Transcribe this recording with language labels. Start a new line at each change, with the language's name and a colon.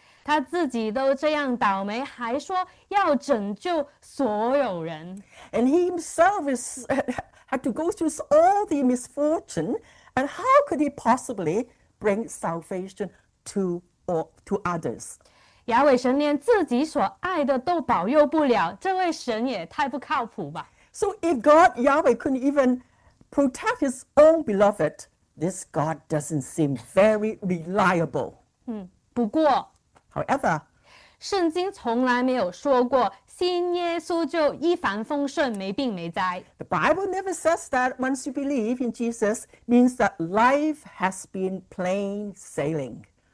Chinese: 他自己都这样倒霉，还说要拯救所有人。
English: And he himself had to go through all the misfortune, and how could he possibly bring salvation to others?
Chinese: 亚伟神连自己所爱的都保佑不了，这位神也太不靠谱吧。
English: So if God, Yahweh, couldn't even protect his own beloved, this God doesn't seem very reliable.
Chinese: 不过，
English: However,
Chinese: 圣经从来没有说过信耶稣就一帆风顺，没病没灾。
English: the Bible never says that once you believe in Jesus means that life has been plain sailing.